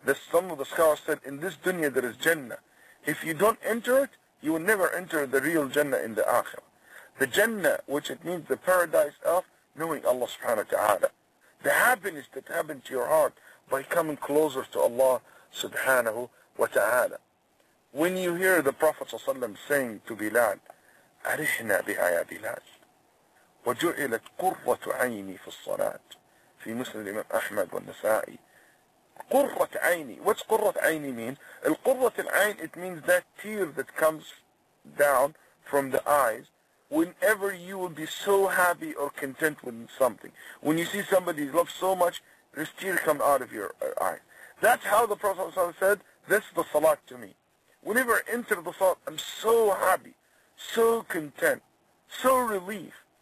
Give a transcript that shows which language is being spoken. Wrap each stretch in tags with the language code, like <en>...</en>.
<en>Some of the scholars said in this dunya there is jannah. If you don't enter it, you will never enter the real Jannah in the Akhirah. The Jannah, which it means the paradise of knowing Allah subhanahu wa ta'ala. The happiness that happened to your heart by coming closer to Allah subhanahu wa ta'ala. When you hear the Prophet saying to Bilal,</en> <ar>أَرِحْنَا بِآيَا بِلَالِ وَجُعِلَتْ قُرَّةُ عَيْنِي فِي الصَّلَاةِ فِي مُسْلِمِ الْإِمَامِ أَحْمَدُ وَالنَّسَائِي.</ar> <en>Qurrat ayni. What's qurrat ayni mean? Al qurrat al ayn, it means that tear that comes down from the eyes whenever you will be so happy or content with something. When you see somebody you love so much, this tear comes out of your eye. That's how the Prophet said, this is the salat to me. Whenever I enter the salat, I'm so happy, so content, so relieved.</en>